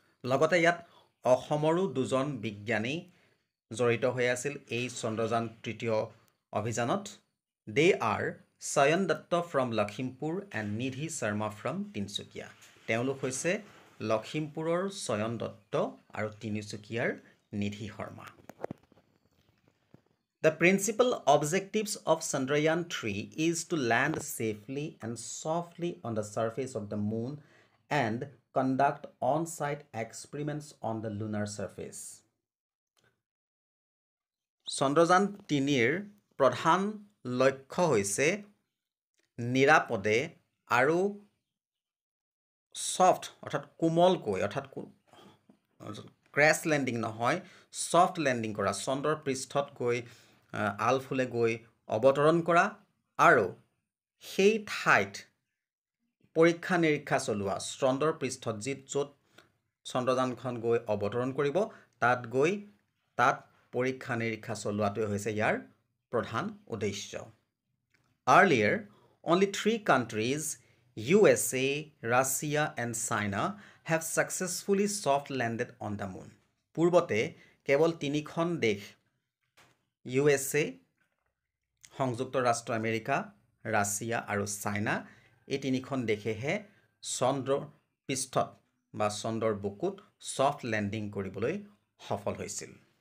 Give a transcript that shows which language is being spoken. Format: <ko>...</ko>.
<as>লগতে ইয়াত অসমৰো দুজন বিজ্ঞানী জড়িত হৈ আছিল এই চন্দ্ৰযান তৃতীয় অভিযানত।</as> <en>They are Sayan Dutta from Lakhimpur and Nidhi Sharma from Tinsukia.</en> <as>তেওঁলোক হৈছে লখিমপুৰৰ সয়ন দত্ত আৰু তিনিচুকীয়াৰ নিধি Sharma.</as> <en>The principal objectives of Chandrayaan 3 is to land safely and softly on the surface of the moon and conduct on-site experiments on the lunar surface.</en> <as>Chandrayaan তিনিৰ প্ৰধান লক্ষ্য হৈছে নিৰাপদে আৰু ছফ্ট অৰ্থাৎ কোমলকৈ অৰ্থাৎ ক্ৰেছ লেণ্ডিং নহয় ছফ্ট লেণ্ডিং কৰা, চন্দ্ৰৰ পৃষ্ঠত গৈ আলফুলে গৈ অৱতৰণ কৰা আৰু সেই ঠাইত পৰীক্ষা নিৰীক্ষা চলোৱা, চন্দ্ৰৰ পৃষ্ঠত যি য'ত চন্দ্ৰযানখন গৈ অৱতৰণ কৰিব তাত গৈ তাত পৰীক্ষা নিৰীক্ষা চলোৱাটোৱে হৈছে ইয়াৰ প্ৰধান উদ্দেশ্য।</as> <en>Earlier only three countries USA, Russia and China have successfully soft landed on the moon.</en> <as>পূৰ্বতে কেৱল তিনিখন দেশ USA, সংযুক্ত ৰাষ্ট্ৰ আমেৰিকা, ৰাছিয়া আৰু চাইনা, এই তিনিখন দেশেহে চন্দ্ৰৰ পৃষ্ঠত বা চন্দ্ৰৰ বুকুত ছফ্ট লেণ্ডিং কৰিবলৈ সফল হৈছিল।</as>